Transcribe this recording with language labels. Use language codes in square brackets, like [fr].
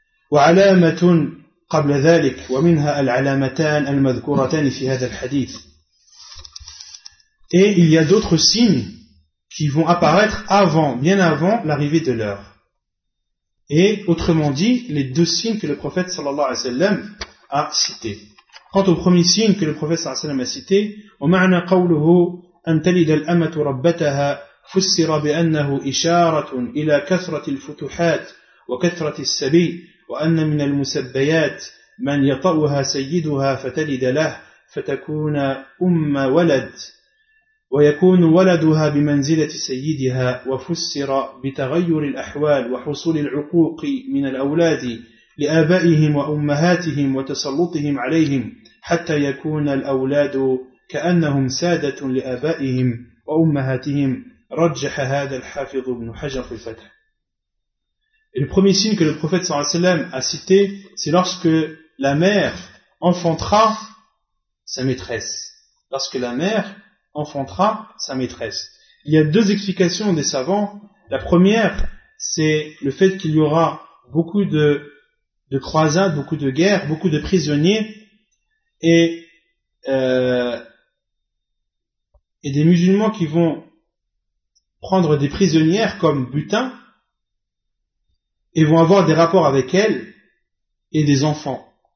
[ar] وَعَلَامَةٌ قَبْلَ ذَلِكَ وَمِنْهَا الْعَلَامَتَانِ الْمَذْكُورَتَانِ فِي هَذَا الْحَدِيثِ. [fr] Et il y a d'autres signes qui vont apparaître avant, bien avant l'arrivée de l'heure. Et autrement dit, les deux signes que le prophète sallallahu alayhi wa sallam a cités. Quant au premier signe que le prophète sallallahu alayhi wa sallam a cité, [ar] وَمَعْنَا قَوْلُهُ أَنْ تَلِدَ الْأَمَةُ رَبَّتَهَا فُسِّرَ بِأَنَّهُ إِشَارَةٌ إِلَى كَثْرَةِ الْفُتُحَاتِ وَكَثْرَةِ السَّبِيلِ وأن من المسبيات من يطأها سيدها فتلد له فتكون أم ولد ويكون ولدها بمنزلة سيدها وفسر بتغير الأحوال وحصول العقوق من الأولاد لآبائهم وأمهاتهم وتسلطهم عليهم حتى يكون الأولاد كأنهم سادة لآبائهم وأمهاتهم رجح هذا الحافظ ابن حجر في الفتح. [fr] Et le premier signe que le prophète sallallahu alayhi wa sallam a cité, c'est lorsque la mère enfantera sa maîtresse. Lorsque la mère enfantera sa maîtresse. Il y a deux explications des savants. La première, c'est le fait qu'il y aura beaucoup de croisades, beaucoup de guerres, beaucoup de prisonniers, et des musulmans qui vont prendre des prisonnières comme butin, et vont avoir des rapports avec elle et des enfants.